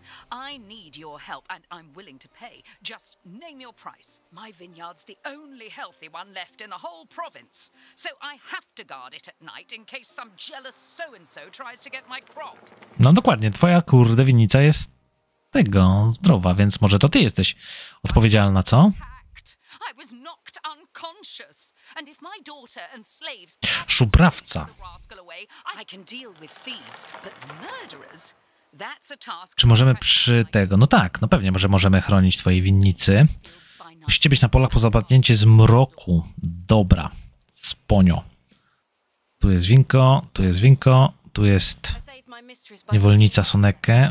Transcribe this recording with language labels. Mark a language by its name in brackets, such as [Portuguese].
[English] I need your help and I'm willing to pay. Just name your price. My vineyard's the only healthy one left in the whole province. So I have to guard it at night in case some jealous so-and-so tries to get my crop. [Polish] No dokładnie, twoja kurde winnica jest tego zdrowa, więc może to ty jesteś odpowiedzialna, co? [English] I was knocked unconscious. And if my daughter and slaves... [Polish] Szubrawca. [English] I can deal with thieves, but murderers... [Polish] Czy możemy przy tego? No tak, no pewnie, że możemy chronić twojej winnicy. Musicie być na polach po zapadnięcie zmroku. Dobra, sponio. Tu jest winko, tu jest winko, tu jest niewolnica Soneke.